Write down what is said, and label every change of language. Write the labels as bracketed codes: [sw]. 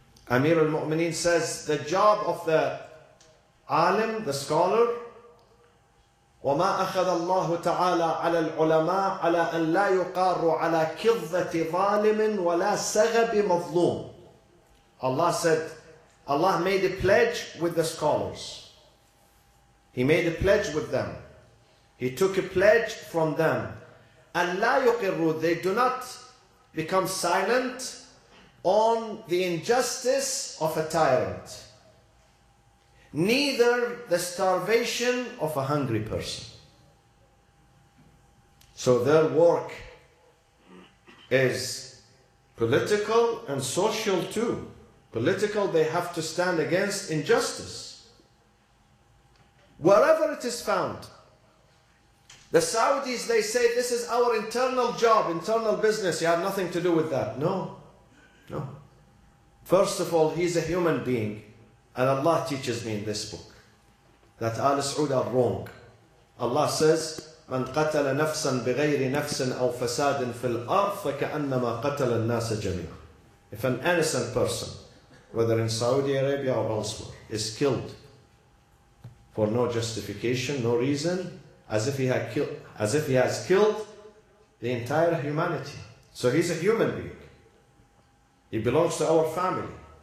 [en] Amir al-Mu'mineen says, the job of the alim, the scholar, [ar] وَمَا أَخَذَ اللَّهُ تَعَالَى عَلَى الْعُلَمَاءِ عَلَى أَنْ لَا يُقَارُوا عَلَى كِذَّةِ ظَالِمٍ وَلَا سَغَبِ مَظْلُومٍ. [en] Allah said, Allah made a pledge with the scholars. He made a pledge with them. He took a pledge from them. [ar] أَنْ لَا يُقِرُوا, [en] they do not become silent on the injustice of a tyrant, neither the starvation of a hungry person. So their work is political and social too. Political, they have to stand against injustice. Wherever it is found. The Saudis, they say, this is our internal job, internal business, you have nothing to do with that. No. No. First of all, he's a human being. And Allah teaches me in this book that Al Saud are wrong. Allah says, [ar] من قتل نفسا بغير نفس أو فساد في الأرض فكأنما قتل الناس جميعا. [en] If an innocent person, whether in Saudi Arabia or elsewhere, is killed for no justification, no reason, as if he has killed the entire humanity. So he's a human being. He belongs to our family.